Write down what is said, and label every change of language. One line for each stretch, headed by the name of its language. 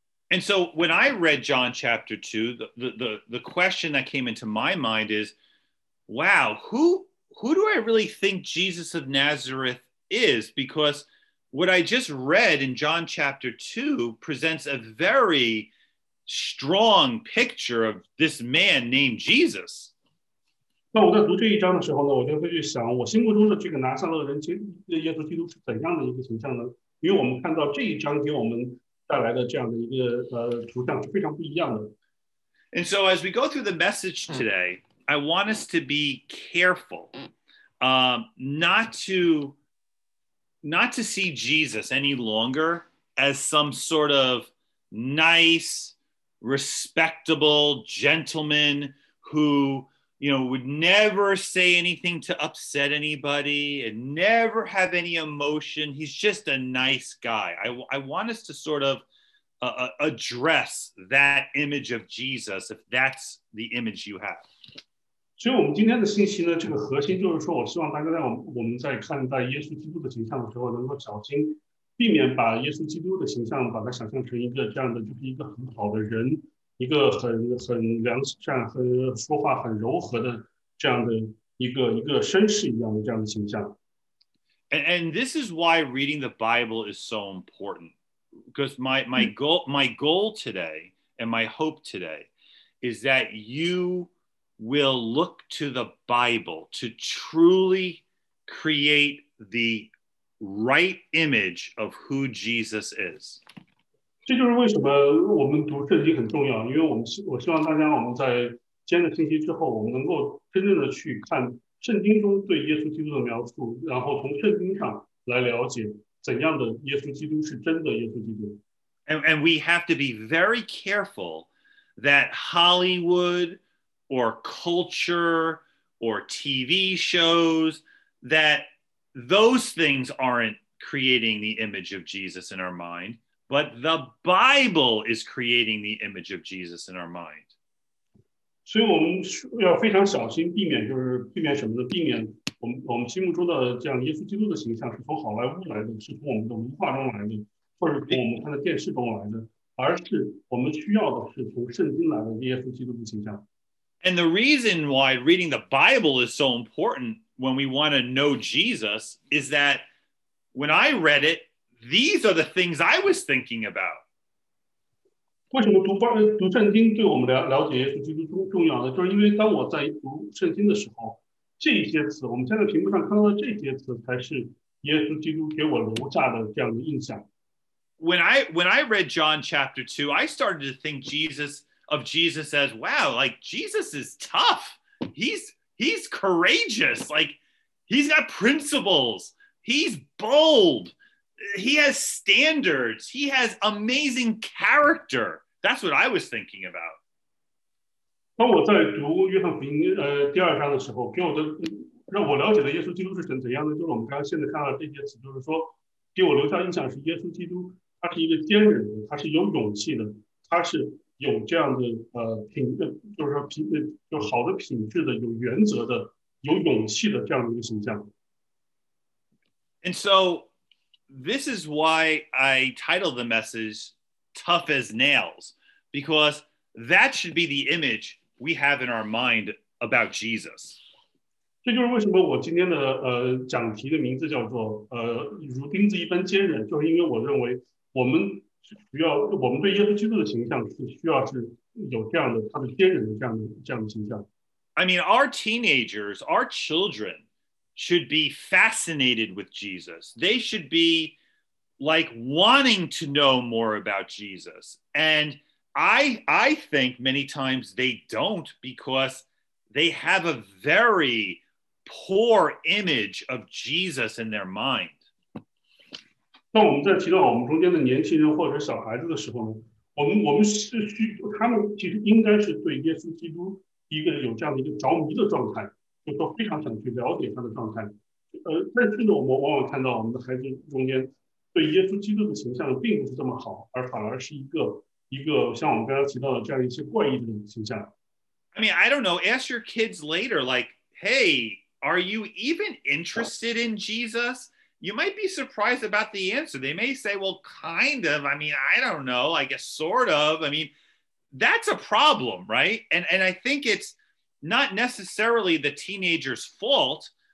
English: And so when I read John chapter 2, the question that came into my mind is, wow, who do I really think Jesus of Nazareth is? Because what I just read in John chapter 2 presents a very strong picture of this man named Jesus.
Chinese: 那我在读这一章的时候呢，我就会去想，我心目中的这个拿撒勒人，耶稣基督是怎样的一个形象呢？因为我们看到这一章给我们带来的这样的一个图像是非常不一样的。
English: And so as we go through the message today, I want us to be careful, not to see Jesus any longer as some sort of nice, respectable gentleman who, would never say anything to upset anybody and never have any emotion. He's just a nice guy. I want us to sort of address that image of Jesus, if that's the image you have.
Chinese: 所以我们今天的信息呢，这个核心就是说，我希望大家在我们在看待耶稣基督的形象的时候，能够小心，避免把耶稣基督的形象把它想象成一个这样的，就是一个很好的人，一个很良善、很说话很柔和的这样的一个绅士一样的这样的形象。
English: And this is why reading the Bible is so important, because my goal today and my hope today is that you will look to the Bible to truly create the right image of who Jesus is.
Chinese: 这就是为什么我们读圣经很重要，因为我希望大家我们在接了信息之后，我们能够真正的去看圣经中对耶稣基督的描述，然后从圣经上来了解怎样的耶稣基督是真的耶稣基督。
English: And we have to be very careful that Hollywood or culture or TV shows, that those things aren't creating the image of Jesus in our mind, but the Bible is creating the image of Jesus in our mind.
Chinese: 所以我们要非常小心，避免什么呢？避免我们心目中的这样耶稣基督的形象是从好莱坞来的，是从我们的文化中来的，或者从我们看的电视中来的，而是我们需要的是从圣经来的耶稣基督的形象。
English: And the reason why reading the Bible is so important when we want to know Jesus is that when I read it, these are the things I was thinking about.
Chinese: 为什么读圣经对我们了解耶稣基督重要呢？就是因为当我在读圣经的时候，这些词，我们现在屏幕上看到的这些词，才是耶稣基督给我留下的这样的印象。
English: When I read John chapter 2, I started to think Jesus says, wow, like Jesus is tough. He's courageous. Like he's got principles. He's bold. He has standards. He has amazing character. That's what I was thinking about.
Chinese: 当我在读约翰福音第二章的时候，让我了解的耶稣基督是怎样的，就是我们刚才现在看到这些词，就是说给我留下印象是耶稣基督，他是一个坚韧的，他是有勇气的，他是有这样的品质，就是品质，就好的品质的，有原则的，有勇气的这样的一个形象。
English: And so, this is why I titled the message "Tough as Nails," because that should be the image we have in our mind about Jesus.
Chinese: 这就是为什么我今天的讲题的名字叫做如钉子一般坚韧，就是因为我认为我们。我们对耶稣基督的形象是需要是有这样的他的坚韧的这样的形象。
English: I mean, our teenagers, our children should be fascinated with Jesus. They should be like wanting to know more about Jesus. And I think many times they don't because they have a very poor image of Jesus in their mind.
Chinese: 当我们在提到我们中间的年轻人或者小孩子的时候呢，我们是需他们其实应该是对耶稣基督一个有这样的一个着迷的状态，就说非常想去了解他的状态。但是呢，我们往往看到我们的孩子中间对耶稣基督的形象并不是这么好，而反而是一个像我们刚才提到的这样一些怪异的形象。
English: I mean, I don't know. Ask your kids later. Like, hey, are you even interested in Jesus? You might be surprised about the answer. They may say, well, kind of. I mean, I don't know. I guess sort of. I mean, that's a problem, right? And I think it's not necessarily the teenager's fault.